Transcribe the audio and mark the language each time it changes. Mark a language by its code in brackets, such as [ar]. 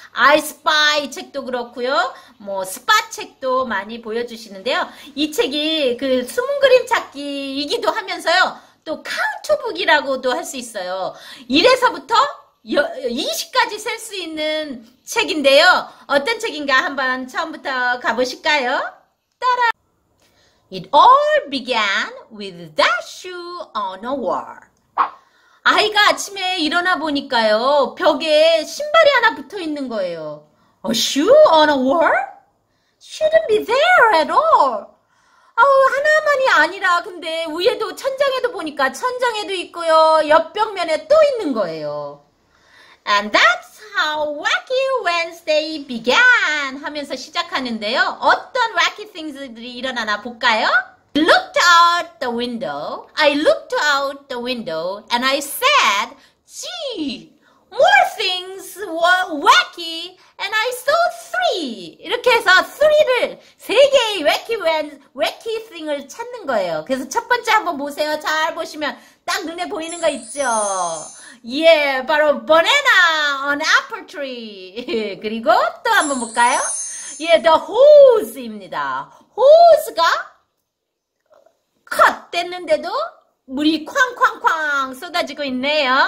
[ko] 아이스파이 책도 그렇고요. 뭐 스팟 책도 많이 보여주시는데요. 이 책이 그 숨은 그림 찾기이기도 하면서요. 또 카운트북이라고도 할수 있어요. 1에서부터 20까지 셀수 있는 책인데요. 어떤 책인가 한번 처음부터 가보실까요? 따라. [en] It all began with that shoe on a wall. [ko] 아이가 아침에 일어나 보니까요, 벽에 신발이 하나 붙어 있는 거예요. [en] A shoe on a wall? Shouldn't be there at all. [ko] 하나만이 아니라, 근데 위에도 천장에도 보니까 천장에도 있고요, 옆 벽면에 또 있는 거예요. [en] And that's how Wacky Wednesday began [ko] 하면서 시작하는데요. 어떤 wacky things들이 일어나나 볼까요? [en] I looked out the window. I looked out the window and I said, gee, more things were wacky and I saw three. [ko] 이렇게 해서 three를 세 개의 wacky thing을 찾는 거예요. 그래서 첫 번째 한번 보세요. 잘 보시면 딱 눈에 보이는 거 있죠? 예, 바로 [en] banana on apple tree. [ko] 그리고 또 한번 볼까요? 예, the hose입니다. hose가 cut 됐는데도 물이 쾅쾅쾅 쏟아지고 있네요.